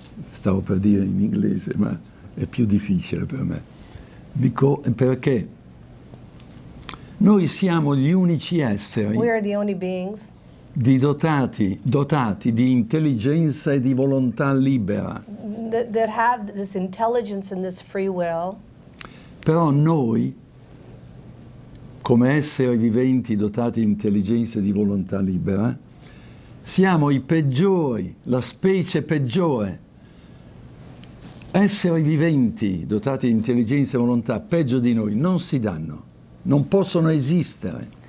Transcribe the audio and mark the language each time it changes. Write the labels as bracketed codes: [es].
[it] Stavo per dire in inglese, ma è più difficile per me. Perché noi siamo gli unici esseri [en] we are the only beings [it] di dotati di intelligenza e di volontà libera. [en] That have this intelligence and this free will. [it] Però noi, come esseri viventi dotati di intelligenza e di volontà libera, siamo i peggiori, la specie peggiore. Esseri viventi dotati di intelligenza e volontà peggio di noi non si danno, non possono esistere.